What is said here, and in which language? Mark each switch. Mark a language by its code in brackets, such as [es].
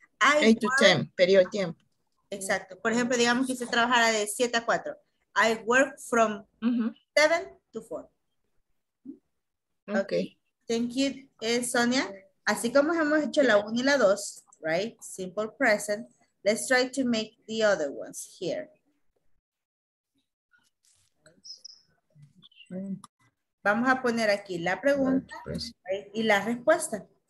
[es] 8 to 10, periodo de tiempo. Exacto. Por ejemplo, digamos que se trabajara de 7 a 4. [en] I work from 7 to 4. Okay. Thank you, Sonia. [es] Así como hemos hecho la 1 y la 2, right? [en] Simple present. Let's try to make the other ones here. [es] Vamos a poner aquí la pregunta y la respuesta.